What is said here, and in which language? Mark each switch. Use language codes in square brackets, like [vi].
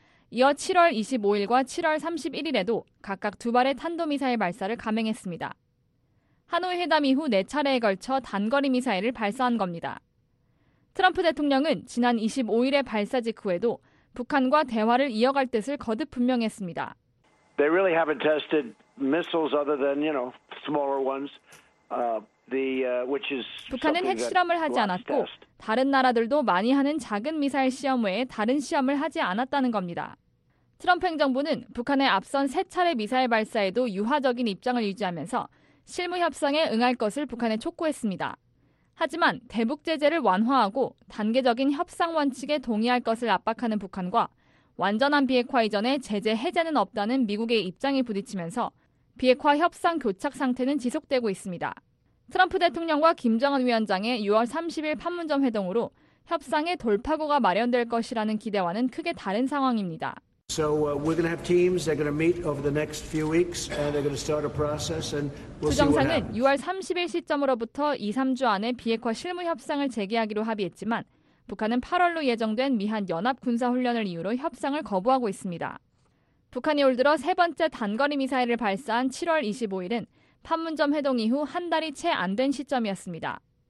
[ko] 이어 7월 25일과 7월 31일에도 각각 두 발의 탄도미사일 발사를 감행했습니다. 하노이 회담 이후 네 차례에 걸쳐 단거리 미사일을 발사한 겁니다. 트럼프 대통령은 지난 25일의 발사 직후에도 북한과 대화를 이어갈 뜻을 거듭 분명했습니다. [en] They really haven't tested missiles other than, you know, smaller ones. Which is [ko] 북한은 핵 실험을 하지 않았고 다른 나라들도 많이 하는 작은 미사일 시험 외에 다른 시험을 하지 않았다는 겁니다. 트럼프 행정부는 북한의 앞선 세 차례 미사일 발사에도 유화적인 입장을 유지하면서 실무 협상에 응할 것을 북한에 촉구했습니다. 하지만 대북 제재를 완화하고 단계적인 협상 원칙에 동의할 것을 압박하는 북한과 완전한 비핵화 이전에 제재 해제는 없다는 미국의 입장이 부딪히면서 비핵화 협상 교착 상태는 지속되고 있습니다. 트럼프 대통령과 김정은 위원장의 6월 30일 판문점 회동으로 협상의 돌파구가 마련될 것이라는 기대와는 크게 다른 상황입니다. [en] So we're going to have teams that are going to meet over the next few weeks and they're going to start a process and we'll see what happens. [ko] 정상은 6월 30일 시점으로부터 2, 3주 안에 비핵화 실무 협상을 재개하기로 합의했지만 북한은 8월로 예정된 미한 연합군사훈련을 이유로 협상을 거부하고 있습니다. 북한이 올 들어 세 번째 단거리 미사일을 발사한 7월 25일은 판문점 회동 이후 한 달이 채 안 된 시점이었습니다.